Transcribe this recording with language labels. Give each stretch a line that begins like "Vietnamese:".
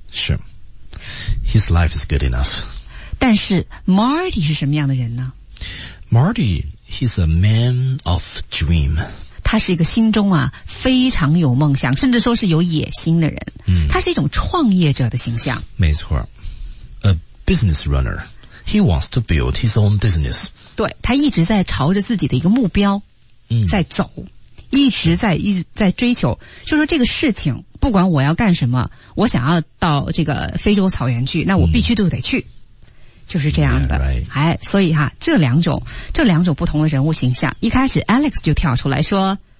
Chinese: 是
English: ，His life is good enough。
Chinese: 但是 Marty 是什么样的人呢
English: ？Marty。 He's a man of dream.
Chinese: 他是一个心中啊非常有梦想，甚至说是有野心的人。他是一种创业者的形象。没错。
English: A business runner. He wants to build his own business.
Chinese: 对，他一直在朝着自己的一个目标在走。一直在追求，就说这个事情不管我要干什么，我想要到这个非洲草原去，那我必须都得去。就是这样的
English: yeah,、right.
Chinese: 哎，所以哈，这两种不同的人物形象，一开始 Alex 就跳出来说